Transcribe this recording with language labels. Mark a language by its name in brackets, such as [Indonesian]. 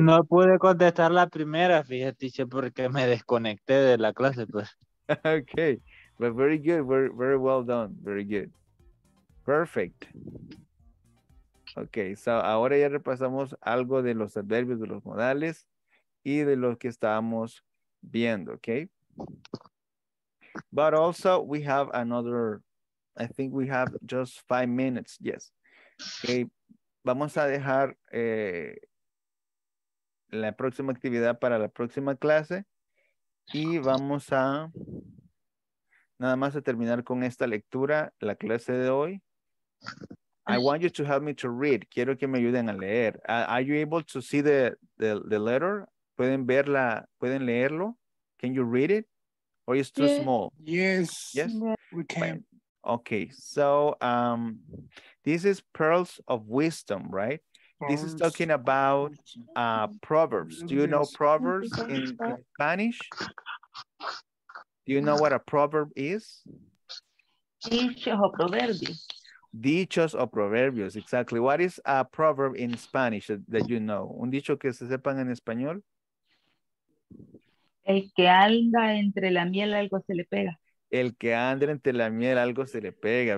[Spanish] No pude contestar la primera, fíjate, porque me desconecté de la clase. Pues. [English] Okay. But very good. Very, very well done. Very good. Perfect. Okay. [Spanish] So, ahora ya repasamos algo de los adverbios, de los modales y de lo que estábamos viendo. [English] Okay. But also we have another, I think we have just 5 minutes, yes. Okay. [Spanish] Vamos a dejar la próxima actividad para la próxima clase y vamos a nada más a terminar con esta lectura, la clase de hoy. [English] I want you to help me to read, [Spanish] quiero que me ayuden a leer. [English] Are you able to see the letter? [Spanish] ¿Pueden verla? ¿Pueden leerlo? [English] Can you read it? Or it's too small? Yes. Yes. We can. Okay. So this is pearls of wisdom, right? Pearls. This is talking about proverbs. Do you know proverbs in Spanish? Do you know what a proverb is? [Spanish] Dichos o proverbios. Dichos o proverbios. Exactly. [English] What is a proverb in Spanish that you know? [Spanish] Un dicho que se sepan en español. El que anda entre la miel algo se le pega. El que anda entre la miel algo se le pega.